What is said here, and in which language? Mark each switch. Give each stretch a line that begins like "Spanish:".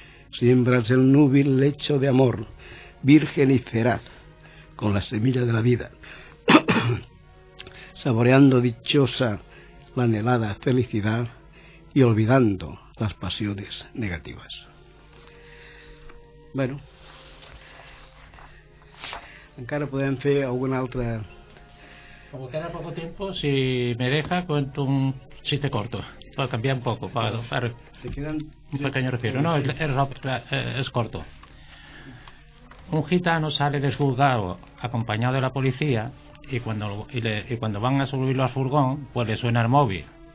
Spanish: Siembras el núbil lecho de amor, virgen y feraz, con la semilla de la vida, saboreando dichosa la anhelada felicidad y olvidando las pasiones negativas.
Catalan: Bueno, encara podem fer alguna altra...
Spanish: Como queda poco tiempo, si me deja, cuento un chiste corto. Para cambiar un poco, para hacer un pequeño refiero. No, es corto. Un gitano sale del juzgado acompañado de la policía y cuando van a subirlo al furgón, pues le suena el móvil.